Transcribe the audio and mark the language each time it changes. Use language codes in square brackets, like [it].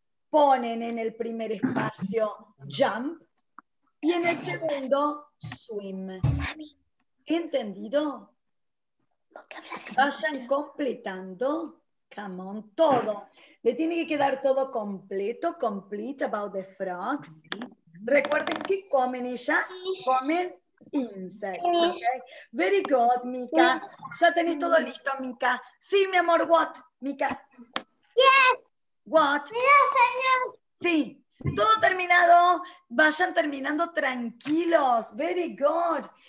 [es] Ponen en el primer espacio, jump. Y en el segundo, swim. ¿Entendido? Vayan completando. [en] Come on, [es] todo. Le tiene que quedar todo completo. [en] Complete about the frogs. [es] Recuerden que comen ellas. Comen [en] insects. Okay. Very good, Mika. [es] Ya tenés todo listo, Mika. Sí, mi amor, what, Mika? [en] Yes. What? Yes, señor. [es] Sí. Todo terminado. Vayan terminando tranquilos. [en] Very good.